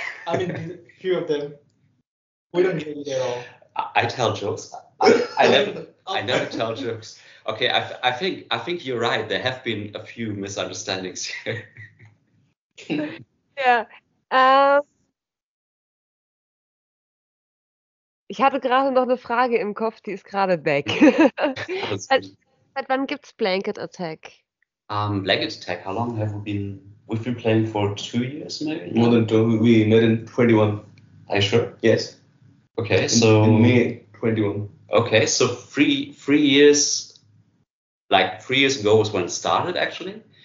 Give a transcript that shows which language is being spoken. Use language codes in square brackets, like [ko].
[en] I mean, a few of them. We don't get it at all. I tell jokes. I never tell jokes. Okay, I think you're right. There have been a few misunderstandings here. [de] Ich hatte gerade noch eine Frage im Kopf, die ist gerade weg. Seit wann gibt's Blanket Attack? [en] Blanket Attack, how long have we been? We've been playing for 2 years, maybe? More than 2. We met in 21. Are you sure? Yes. Okay, in May 21. Okay, so three years. Like 3 years ago was when it started, actually.